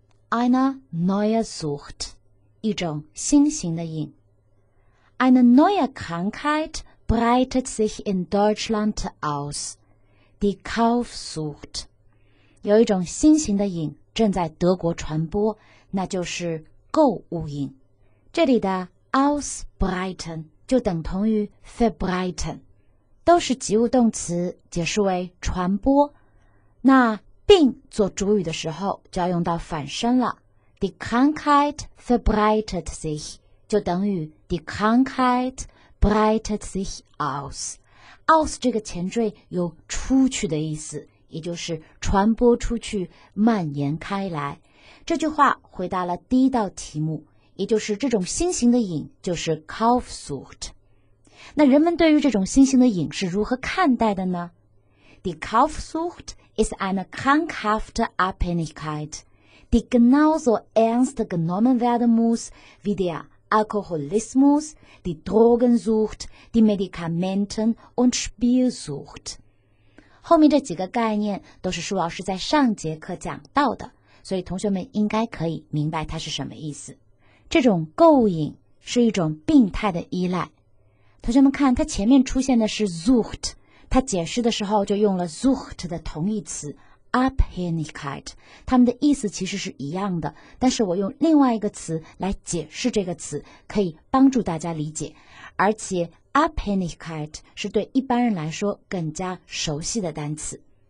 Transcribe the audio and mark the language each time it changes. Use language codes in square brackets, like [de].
[de] eine neue Sucht, [zh] 一种新型的瘾。 [de] Eine neue Krankheit breitet sich in Deutschland aus, die Kaufsucht. [zh] 有一种新型的瘾正在德国传播，那就是购物瘾。这里的 ausbreiten 就等同于 verbreiten， 都是及物动词，解释为传播。那病做主语的时候就要用到反身了。 [de] Die Krankheit verbreitet sich [zh] 就等于 [de] Die Krankheit breitet sich aus。 [zh] aus 这个前缀有出去的意思，也就是传播出去，蔓延开来。这句话回答了第一道题目，也就是这种新型的瘾就是 Kaufsucht。那人们对于这种新型的瘾是如何看待的呢？ [de] Die Kaufsucht ist eine krankhafte Abhängigkeit, die genauso ernst genommen werden muss wie der Alkoholismus, die Drogensucht, die Medikamenten und Spielsucht. [zh] 后面这几个概念都是舒老师在上节课讲到的，所以同学们应该可以明白它是什么意思。这种购物瘾是一种病态的依赖。同学们看，它前面出现的是 Sucht，他解释的时候就用了 Sucht 的同义词 Abhängigkeit， 他们的意思其实是一样的，但是我用另外一个词来解释这个词可以帮助大家理解，而且 Abhängigkeit 是对一般人来说更加熟悉的单词。